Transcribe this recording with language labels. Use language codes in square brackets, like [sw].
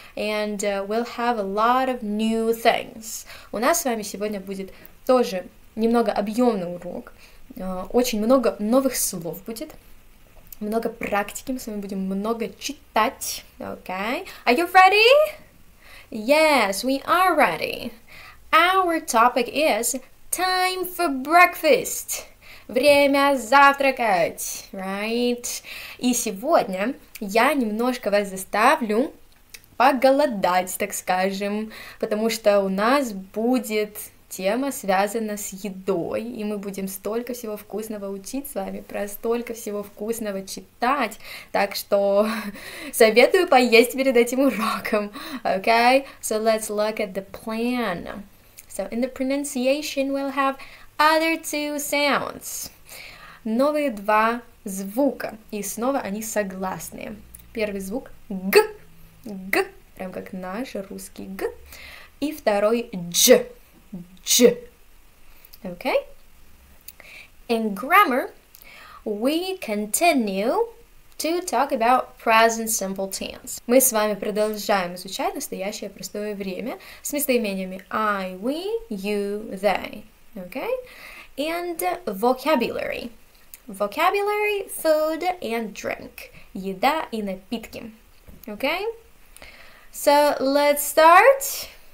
[en] And we'll have a lot of new things. [ru] У нас с вами сегодня будет тоже немного объемный урок. Очень много новых слов будет. Много практики. Мы с вами будем много читать. [en] Okay. Are you ready? Yes, we are ready. Our topic is time for breakfast. [ru] Время завтракать. [en] Right? [ru] И сегодня я немножко вас заставлю поголодать, так скажем. Потому что у нас будет тема связана с едой, и мы будем столько всего вкусного учить с вами, про столько всего вкусного читать, так что советую поесть перед этим уроком, okay? [en] So let's look at the plan. So in the pronunciation we'll have other two sounds. [ru] Новые два звука, и снова они согласные. Первый звук г, г, прям как наш русский г, и второй дж. Ч. Okay? [en] In grammar, we continue to talk about present simple tense. [ru] Мы с вами продолжаем изучать настоящее простое время с местоимениями [en] I, we, you, they. Okay? And vocabulary. Vocabulary, food and drink. [ru] Еда и напитки. [en] Okay? So, let's start.